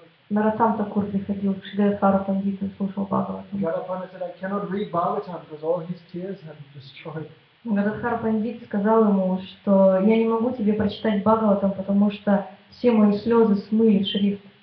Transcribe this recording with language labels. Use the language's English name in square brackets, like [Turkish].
[Russian] Наратам Такур приходил к Шри Гададхару Пандиту и слушал Бхагаватам. [English] Гададхара said, I cannot read Bhagavatam because all his tears have destroyed. [Russian] Гададхара Пандит сказал ему, что я не могу тебе прочитать Бхагаватам, потому что все мои слезы смыли шрифт.